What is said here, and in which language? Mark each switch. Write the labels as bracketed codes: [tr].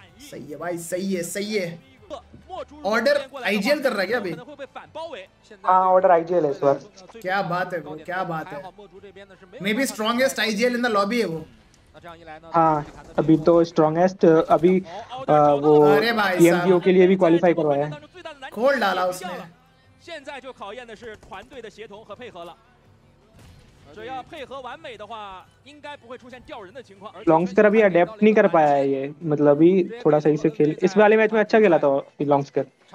[hi] सही है भाई, सही है ऑर्डर IGL कर रहा है क्या अभी? हाँ ऑर्डर IGL है इस बार, क्या बात है भाई, क्या बात है, [en] maybe strongest IGL in the lobby [hi] है वो। हाँ अभी तो स्ट्रांगेस्ट, अभी वो PMGO के लिए भी क्वालिफाई करवाया खोल डाला उसने। [zh] 现在就考验的是团队的协同和配合了。只要配合完美的话，应该不会出现掉人的情况。 [hi] लॉन्ग स्कर अभी अडेप्ट नहीं कर पाया है ये, मतलब अभी थोड़ा सही से खेल, इस वाले मैच में अच्छा खेला था लॉन्ग स्कर।